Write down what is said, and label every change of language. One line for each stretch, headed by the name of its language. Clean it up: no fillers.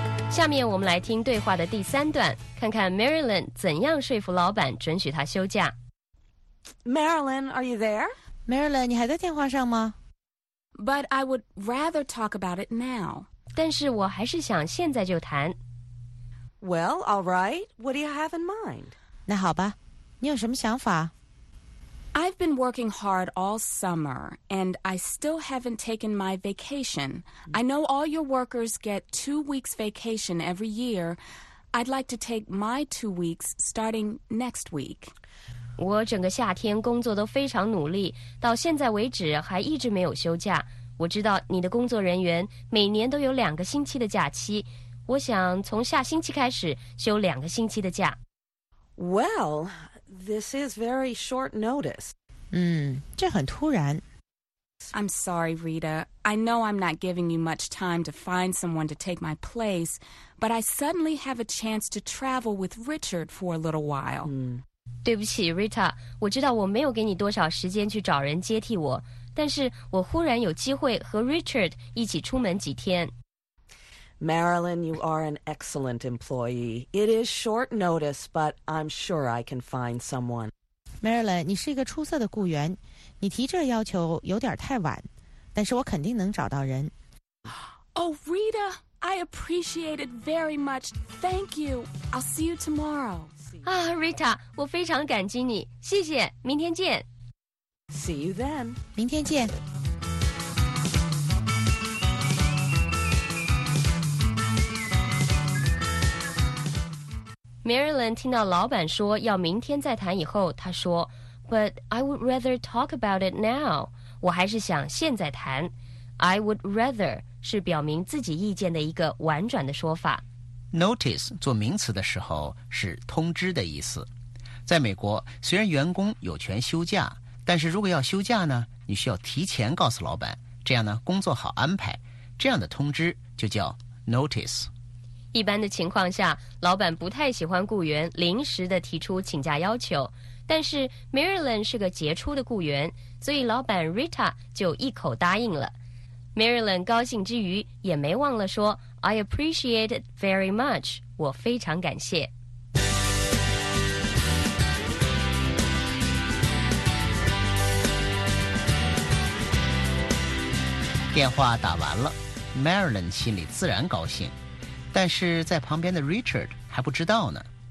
Chinese: 下面我们来听对话的第三段，看看 Marilyn 怎样说服老板准许她休假。
English: Marilyn, are you there?
Chinese: Marilyn, 你还在电话上吗？
English: But I would rather talk about it now.
Chinese: 但是我还是想现在就谈。
English: Well, all right. What do you have in mind?
Chinese: 那好吧，你有什么想法？
English: I've been working hard all summer, and I still haven't taken my vacation. I know all your workers get 2 weeks vacation every year. I'd like to take my 2 weeks starting next week.
Chinese: 我整个夏天工作都非常努力，到现在为止还一直没有休假。我知道你的工作人员每年都有两个星期的假期。我想从下星期开始休两个星期的假。
English: Well... This is very short notice.
Chinese: 这很突然。
English: I'm sorry, Rita. I know I'm not giving you much time to find someone to take my place, but I suddenly have a chance to travel with Richard for a little while.
Chinese: 对不起 ，Rita. 我知道我没有给你多少时间去找人接替我，但是我忽然有机会和 Richard 一起出门几天。
English: Marilyn, you are an excellent employee. It is short notice, but I'm sure I can find someone.
Chinese: Marilyn, 你是一个出色的雇员，你提这要求有点太晚，但是我肯定能找到人。
English: Oh, Rita, I appreciate it very much. Thank you. I'll see you tomorrow.
Chinese: Rita, 我非常感激你，谢谢，明天见。
English: See you then.
Chinese: 明天见。 Marilyn 听到老板说要明天再谈以后，她说
English: But I would rather talk about it now.
Chinese: 我还是想现在谈。
English: I would rather
Chinese: 是表明自己意见的一个婉转的说法。 Notice 做名词的时候是通知的意思。在美国，虽然员工有权休假，但是如果要休假呢，你需要提前告诉老板，这样呢工作好安排。这样的通知就叫 Notice。一般的情况下，老板不太喜欢雇员临时的提出请假要求，但是 Marilyn 是个杰出的雇员，所以老板 Rita 就一口答应了。Marilyn 高兴之余，也没忘了说
English: I appreciate it very much.
Chinese: 我非常感谢。电话打完了， Marilyn 心里自然高兴，但是在旁边的 Richard 还不知道呢。